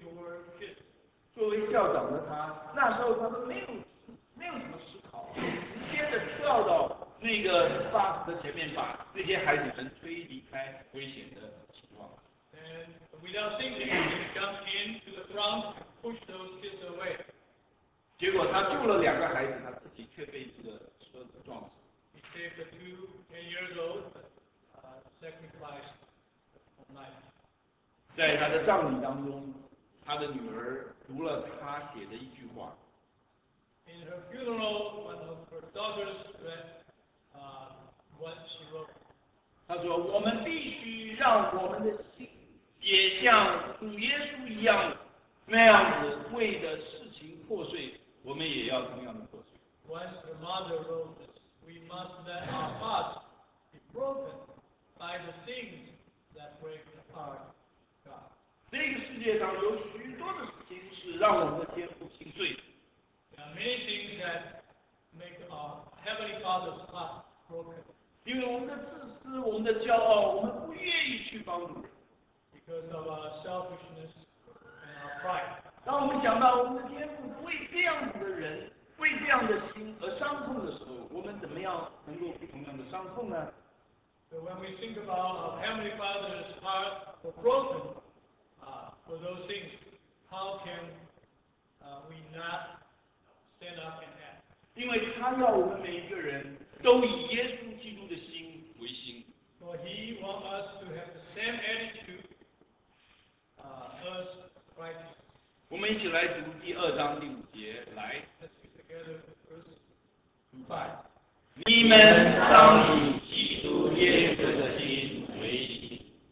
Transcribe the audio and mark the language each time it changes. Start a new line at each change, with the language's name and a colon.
English: Control and moving quickly toward kids.
Chinese: 那个 bus 的前面把那些孩子们推离开危险的情况。
English: And without thinking, he jumped into the front, pushed those kids away.
Chinese: 结果他救了两个孩子，他自己却被这个车子撞死。
English: He saved the 2 10-year-olds, sacrificed a life.
Chinese: 在他的葬礼当中，他的女儿读了他写的一句话。
English: In her funeral, one of her daughters read, what she wrote.
Chinese: 他说：“我们必须让我们的心也像主耶稣一样，那样子为的事情破碎，我们也要同样的破碎。”
English: Once her mother wrote this, we must let our hearts be broken by the things that break the heart of God.
Chinese: 这个世界上有许多的事情是让我们的天父心碎的。
English: There are many things that make our heavenly Father's heart broken.
Chinese: 因为我们的自私，我们的骄傲，我们不愿意去帮助人。
English: Because of our selfishness and our pride.
Chinese: 当我们想到我们的天父为这样子的人，为这样的心而伤痛的时候，我们怎么样能够同样的伤痛呢？
English: So when we think about our heavenly Father's heart broken. For those things, how can we not stand up and act?
Chinese: 因为他要我们每一个人都以耶稣基督的心为心。
English: For he wants us to have the same attitude as Christ.
Chinese: 我们一起来读第二章第五节，来。
English: Let's read together verse 5.
Chinese: 你们当以基督耶稣的心为心。